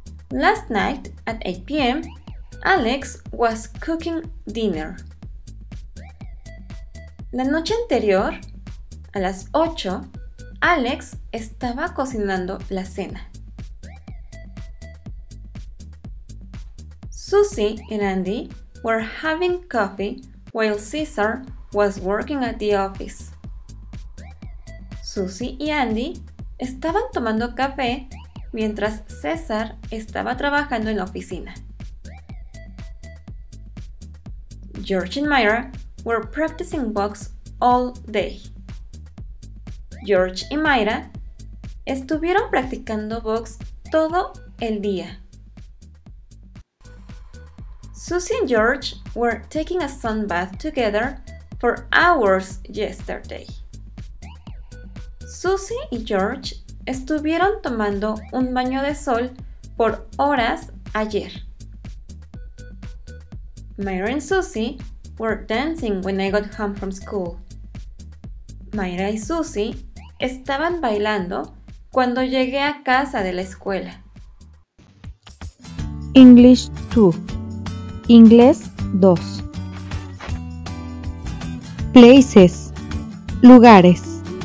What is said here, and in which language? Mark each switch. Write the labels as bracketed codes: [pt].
[en] Last night at 8 p.m., Alex was cooking dinner. [es] La noche anterior, a las 8, Alex estaba cocinando la cena. [en] Susie and Andy were having coffee while Caesar was working at the office. [es] Susie y Andy estaban tomando café mientras César estaba trabajando en la oficina. [en] George and Myra were practicing box all day. [es] George y Myra estuvieron practicando box todo el día. [en] Susie and George were taking a sun bath together for hours yesterday. [es] Susie y George estuvieron tomando un baño de sol por horas ayer. [en] Myra and Susie were dancing when I got home from school. [es] Myra y Susie estaban bailando cuando llegué a casa de la escuela. [en] English 2. [es] Inglés 2. [en] Places. Lugares.